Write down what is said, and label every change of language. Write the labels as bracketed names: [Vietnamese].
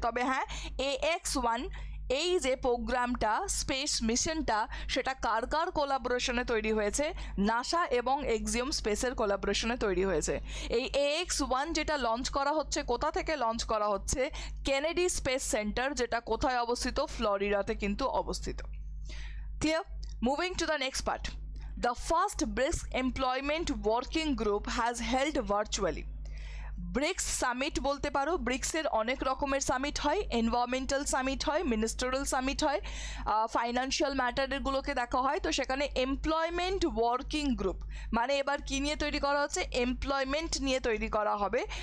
[Bangla] তবে হ্যাঁ, AX1 এই যে প্রোগ্রামটা, স্পেস মিশনটা, সেটা কার কার কোলাবোরেশনে তৈরি হয়েছে, নাসা এবং এক্সিয়ম স্পেসের কোলাবোরেশনে তৈরি হয়েছে। এই AX1 যেটা লঞ্চ করা হচ্ছে, কোথা থেকে লঞ্চ করা হচ্ছে, কেনেডি স্পেস সেন্টার, যেটা কোথায় অবস্থিত, ফ্লোরিডাতে কিন্তু অবস্থিত। Clear? [English] Moving to the next part, the first BRICS employment working group has held virtually. [Bangla] Bricks summit বলতে পারো, ব্রিক্সের অনেক রকমের সামিট হয়, এনভায়রনমেন্টাল সামিট হয়, মিনিস্টারাল সামিট হয়, ফাইন্যান্সিয়াল ম্যাটারগুলোকে দেখা হয়। তো সেখানে এমপ্লয়মেন্ট ওয়ার্কিং গ্রুপ মানে এবার কী নিয়ে তৈরি করা হচ্ছে, এমপ্লয়মেন্ট নিয়ে তৈরি করা হবে।